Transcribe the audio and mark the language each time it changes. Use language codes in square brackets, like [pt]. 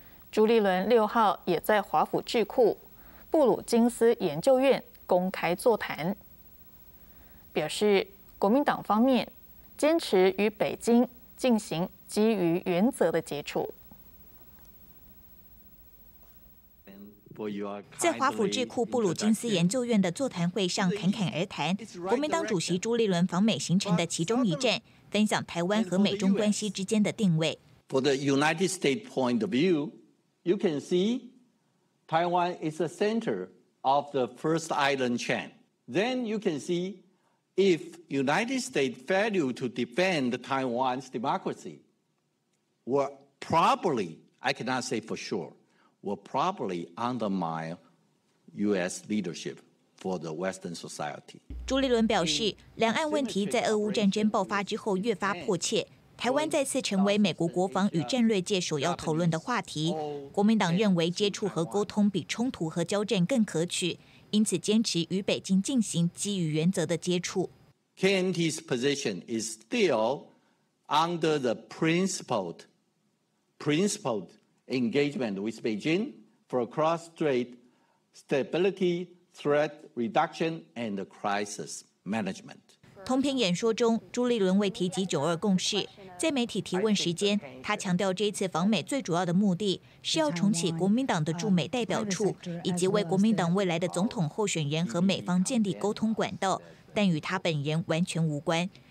[zh] 朱立伦6号也在华府智库布鲁金斯研究院公开座谈，表示国民党方面坚持与北京进行基于原则的接触。在华府智库布鲁金斯研究院的座谈会上侃侃而谈，国民党主席朱立伦访美行程的其中一站，分享台湾和美中关系之间的定位。 [en] For the United States point of view, you can see Taiwan is the center of the first island chain. Then you can see if United States failed to defend Taiwan's democracy, will probably, I cannot say for sure, will probably undermine U.S. leadership. For the Western society. [zh] 朱立伦表示，两岸问题在俄乌战争爆发之后越发迫切，台湾再次成为美国国防与战略界首要讨论的话题。国民党认为接触和沟通比冲突和交战更可取，因此坚持与北京进行基于原则的接触。 [en] KMT's position is still under the principled engagement with Beijing for a cross-strait stability. Threat reduction and crisis management. [zh] 通篇演说中，朱立伦未提及九二共识。在媒体提问时间，他强调这一次访美最主要的目的是要重启国民党的驻美代表处，以及为国民党未来的总统候选人和美方建立沟通管道，但与他本人完全无关。